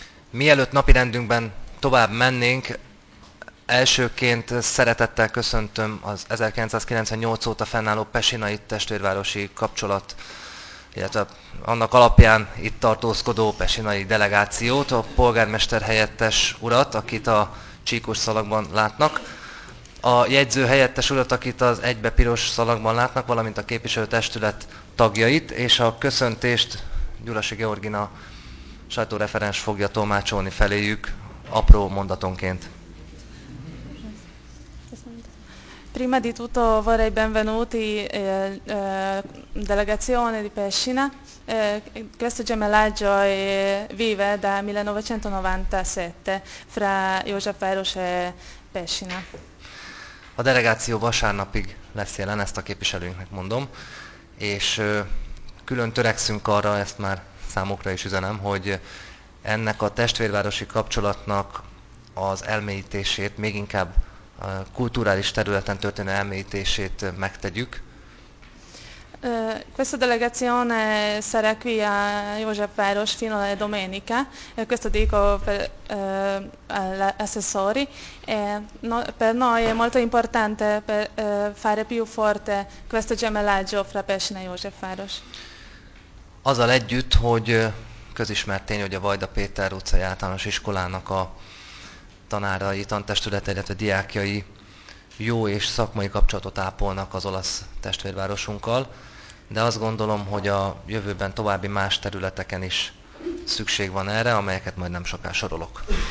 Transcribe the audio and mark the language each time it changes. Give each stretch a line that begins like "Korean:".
Hungarian: Mielőtt napirendünkben tovább mennénk, elsőként szeretettel köszöntöm az 1998 óta fennálló Pesinai testvérvárosi kapcsolat, illetve annak alapján itt tartózkodó Pesinai delegációt, a polgármester helyettes urat, akit a csíkos szalagban látnak, a jegyző helyettes urat, akit az egybe piros szalagban látnak, valamint a képviselőtestület tagjait, és a köszöntést Gyulasi Georgina sajtóreferens fogja tolmácsolni feléjük apró mondatonként.
Italian: Prima di tutto vorrei benvenuti delegazione di Pescina. Questo gemellaggio vive da 1997 fra József Város e Pescina.
Hungarian: A delegáció vasárnapig lesz jelen, ezt a képviselőnknek mondom, és külön törekszünk arra, ezt már számukra is üzenem, hogy ennek a testvérvárosi kapcsolatnak az elmélyítését még inkább a kulturális területen történő elmélyítését megtegyük.
Italian: Questa delegazione sarà qui a József Város fino a domenica. Questo dico all'assessori. Per noi è molto importante per fare più forte questo gemellaggio fra Pescina e József Város.
Hungarian: Azzal együtt, hogy közismert tény, hogy a Vajda Péter utcai általános iskolának a tanárai, tantestülete, illetve diákjai jó és szakmai kapcsolatot ápolnak az olasz testvérvárosunkkal, de azt gondolom, hogy a jövőben további más területeken is szükség van erre, amelyeket majd nem soká sorolok.